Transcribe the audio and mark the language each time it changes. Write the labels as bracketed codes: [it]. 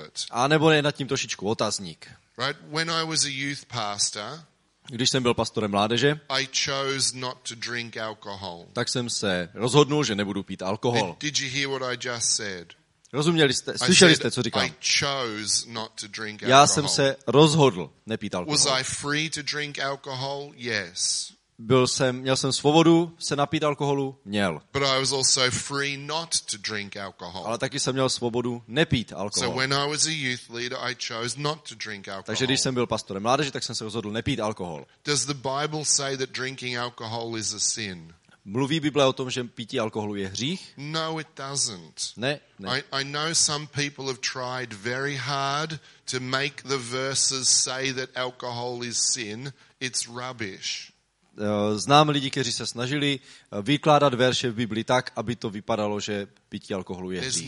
[cs] A nebo je nad tím trošičku otazník. [en] Right? When I was a youth pastor, [cs] když jsem byl pastorem mládeže, [en] I chose not to drink alcohol. [cs] Tak jsem se rozhodnul, že nebudu pít alkohol. [en] Did you hear what I just said? [cs] Rozuměli jste, slyšeli jste, co říkám? [en] I chose not to drink alcohol. [cs] Já jsem se rozhodl nepít alkohol. [en] Was I free to drink alcohol? Yes. [cs] Měl jsem svobodu se napít alkoholu? Měl. [en] But I was also free not to drink alcohol. [cs] Ale taky jsem měl svobodu nepít alkohol. [en] So when I was a youth leader, I chose not to drink alcohol. [cs] Takže když jsem byl pastorem mládeže, tak jsem se rozhodl nepít alkohol. [en] Does the Bible say that drinking alcohol is a sin? [cs] Mluví Bible o tom, že pití alkoholu je hřích? [en] No, it doesn't. [cs] Ne, ne. [en] I know some people have tried very hard to make the verses say that alcohol is sin. It's rubbish. [cs] Znám lidi, kteří se snažili vykládat verše v Biblii tak, aby to vypadalo, že pití alkoholu je